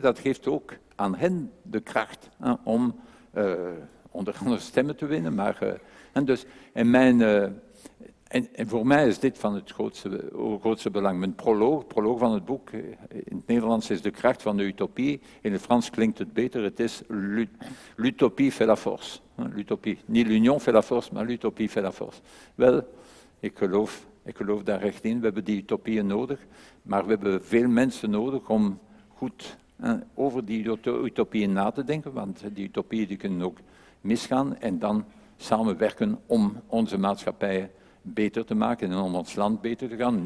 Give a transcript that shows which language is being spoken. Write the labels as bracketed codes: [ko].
[nl] Dat geeft ook aan hen de kracht om onder andere stemmen te winnen. En voor mij is dit van het grootste belang. Mijn proloog van het boek, in het Nederlands is de kracht van de utopie, in het Frans klinkt het beter, het is [fr] l'utopie fait la force. L'utopie. [nl] Niet [fr] l'union fait la force, [nl] maar [fr] l'utopie fait la force. [nl] Wel, ik geloof daar recht in. We hebben die utopieën nodig, maar we hebben veel mensen nodig om goed over die utopieën na te denken, want die utopieën die kunnen ook misgaan en dan samenwerken om onze maatschappijen beter te maken en om ons land beter te gaan.